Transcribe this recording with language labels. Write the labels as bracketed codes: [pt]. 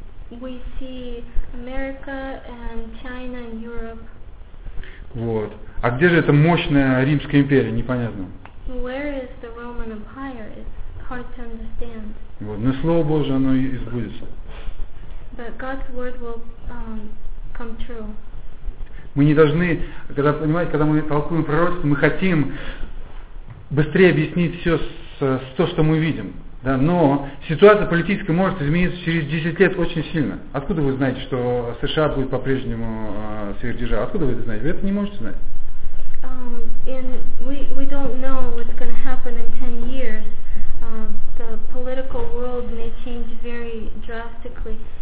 [en] We see America and China and Europe. [ru] Вот. А где же эта мощная Римская империя? Непонятно. [en] Where is the Roman Empire? It's hard to understand. [ru] Вот. Но Слово Божие, оно и сбудется. [en] But God's word will come true. [ru] Мы не должны, когда, понимаете, когда мы толкуем пророчество, мы хотим быстрее объяснить все с то, что мы видим. Да? Но ситуация политическая может измениться через 10 лет очень сильно. Откуда вы знаете, что США будет по-прежнему сверхдержавой? Откуда вы это знаете? Вы это не можете знать. [en] We don't know what's going to happen in 10 years. The political world may change very drastically.